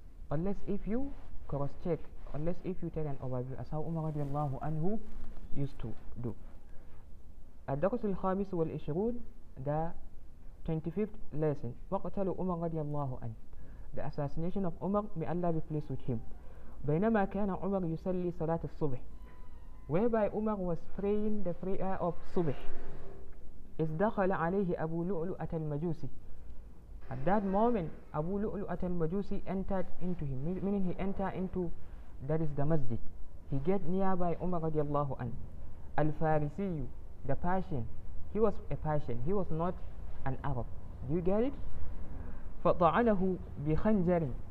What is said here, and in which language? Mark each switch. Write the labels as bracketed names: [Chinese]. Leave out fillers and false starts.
[English] Unless if you cross-check, unless if you take an overview, as how Umar رضي الله عنه used to do. [Arabic] الدرس الخامس والعشرون, [English] the 25th lesson. [Arabic] وقتل Umar رضي الله عنه. [English] The assassination of Umar, may Allah be pleased with him. [Arabic] بينما كان Umar يصلي صلاة الصبح. [English] Whereby Umar was praying the prayer of Subh. [Arabic] إذ دخل عليه أبو لؤلؤة المجوسي. [English] At that moment, Abu لؤلؤة المجوسي entered into him, meaning he entered into, that is, the masjid. He get nearby Umar رضي الله عنه. الفارسي, the Persian. He was a Persian. He was not an Arab. Do you get it? [Arabic] فطعنه بخنجر.